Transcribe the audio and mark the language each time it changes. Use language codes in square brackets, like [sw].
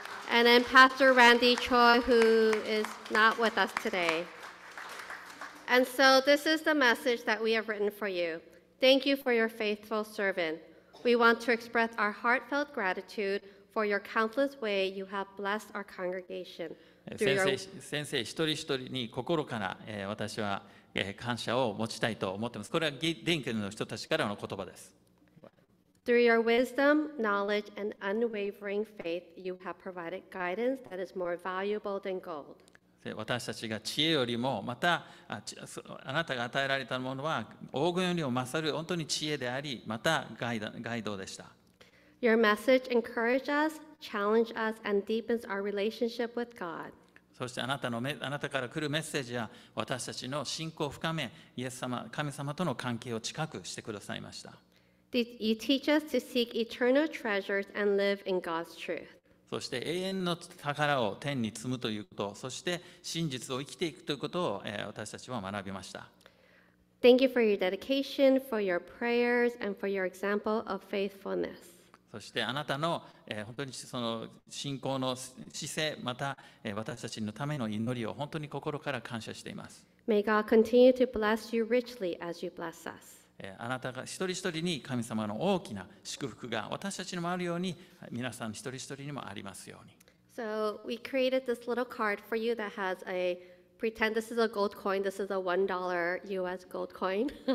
[en] And then Pastor Randy Choi, who is not with us today. And so this is the message that we have written for you. Thank you for your faithful servant. We want to express our heartfelt gratitude for your countless way you have blessed our congregation. [ja] 先生一人一人に心から私は感謝を持ちたいと思っています。これはディンケルの人たちからの言葉です。 [en] Through your wisdom, knowledge, and unwavering faith, you have provided guidance that is more valuable than gold. [ja] 私たちが知恵よりもまたあなたが与えられたものは黄金よりも勝る本当に知恵でありまたガイドでした。 [en] Your message encourages us, challenges us, and deepens our relationship with God. [ja] そしてあなたから来るメッセージは私たちの信仰を深め、イエス様、神様との関係を近くしてくださいました。 [en] You teach us to seek eternal treasures and live in God's truth. [ja] そして永遠の宝を天に積むということ、そして真実を生きていくということを私たちは学びました。 [en] Thank you for your dedication, for your prayers, and for your example of faithfulness. [ja] そしてあなたの本当にその信仰の姿勢、また私たちのための祈りを本当に心から感謝しています。 [en] May God continue to bless you richly as you bless us. [ja] あなたが一人一人に神様の大きな祝福が私たちにもあるように皆さん一人一人にもありますように。 [en] So we created this little card for you that has a pretend this is a gold coin, this is a $1 US gold coin.